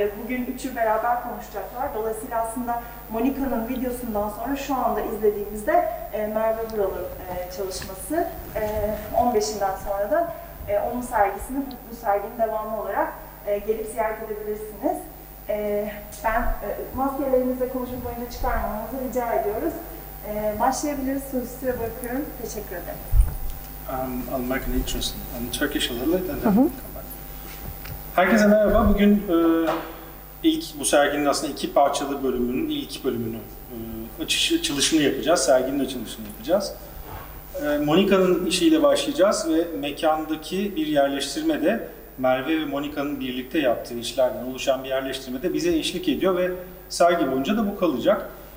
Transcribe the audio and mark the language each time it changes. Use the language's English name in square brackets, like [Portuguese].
[Turkish] Bugün üçü beraber konuşacaklar. Dolayısıyla aslında Monika'nın videosundan sonra şu anda izlediğimizde Merve Vural'ın çalışması. 15'inden sonra da onun sergisini, bu serginin devamı olarak gelip ziyaret edebilirsiniz. Ben maskelerinizle konuşma boyunca çıkarmamızı rica ediyoruz. Başlayabiliriz. Sözü size bırakıyorum. Teşekkür ederim. [English] I'll make an intro in Turkish a little bit and then come back. [Turkish] Herkese merhaba. Bugün ilk bu serginin aslında iki parçalı bölümünün ilk bölümünü, açılışını yapacağız. Serginin açılışını yapacağız. Monika'nın işiyle başlayacağız ve mekandaki bir yerleştirme de Merve ve Monika'nın birlikte yaptığı işlerden oluşan bir yerleştirme de bize eşlik ediyor ve sergi boyunca da bu kalacak.